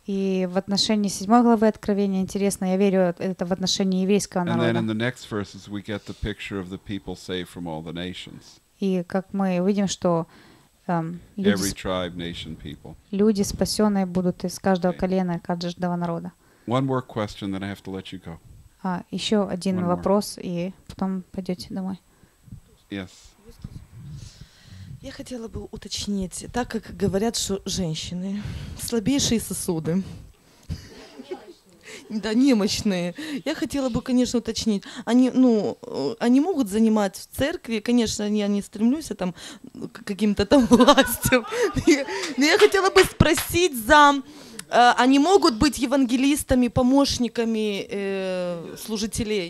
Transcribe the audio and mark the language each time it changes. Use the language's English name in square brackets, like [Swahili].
[Russian] И в отношении седьмой главы Откровения интересно, я верю, это в отношении еврейского народа. [English] And then in the next verses we get the picture of the people saved from all the nations. [Russian] И как мы видим, что [English] every tribe, nation, people. [Russian] Люди спасенные будут из каждого колена, каждого народа. [English] One more question, then I have to let you go. [Russian] Еще один вопрос, и потом пойдете домой. [English] Yes. [Russian] Я хотела бы уточнить, так как говорят, что женщины слабейшие сосуды, да, немощные. Я хотела бы, конечно, уточнить, они могут занимать в церкви, конечно, я не стремлюсь там к каким-то там властям, но я хотела бы спросить за, они могут быть евангелистами, помощниками служителей?